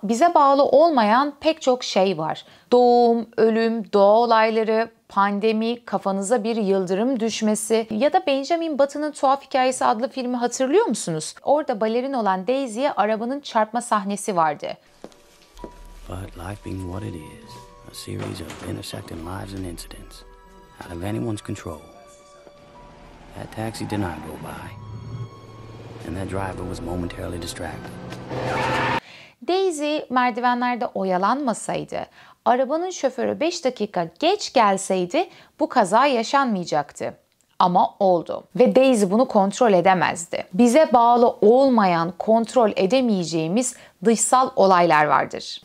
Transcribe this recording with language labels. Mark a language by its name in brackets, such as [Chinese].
[Turkish] Bize bağlı olmayan pek çok şey var. Doğum, ölüm, doğa olayları, pandemi, kafanıza bir yıldırım düşmesi ya da Benjamin Button'ın Tuhaf Hikayesi adlı filmi hatırlıyor musunuz? Orada balerin olan Daisy'ye arabanın çarpma sahnesi vardı. [English] But life being what it is, a series of intersecting lives and incidents out of anyone's control. That taxi did not go by. And that driver was momentarily distracted. [Turkish] Daisy merdivenlerde oyalanmasaydı, arabanın şoförü 5 dakika geç gelseydi bu kaza yaşanmayacaktı. Ama oldu. Ve Daisy bunu kontrol edemezdi. Bize bağlı olmayan, kontrol edemeyeceğimiz dışsal olaylar vardır.